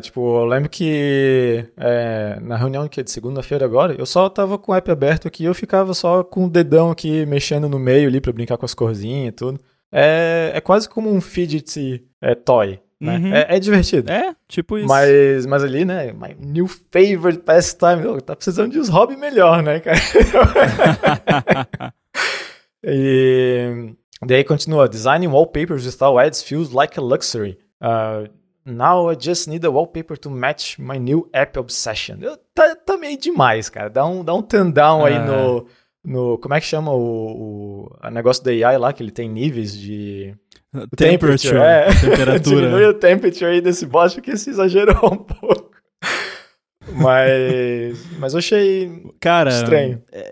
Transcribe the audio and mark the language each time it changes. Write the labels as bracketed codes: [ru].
[pt] Tipo, eu lembro que na reunião que é de segunda-feira agora, eu só tava com o app aberto aqui e eu ficava só com o dedão aqui mexendo no meio ali pra brincar com as corzinhas e tudo. É quase como um fidget toy, né? Uhum. É divertido. É, tipo isso. Mas ali, né? [en] My new favorite pastime. [pt] Oh, tá precisando de uns hobby melhor, né, cara? E daí continua. [en] Designing wallpapers with our ads feels like a luxury. Now I just need a wallpaper to match my new app obsession. [pt] Tá meio demais, cara. Dá um [en] turn down [pt] aí no... No, como é que chama o negócio da AI lá, que ele tem níveis de... Temperature. Temperatura. Diminui o temperature aí desse bot, porque se exagerou um pouco. Mas eu achei estranho.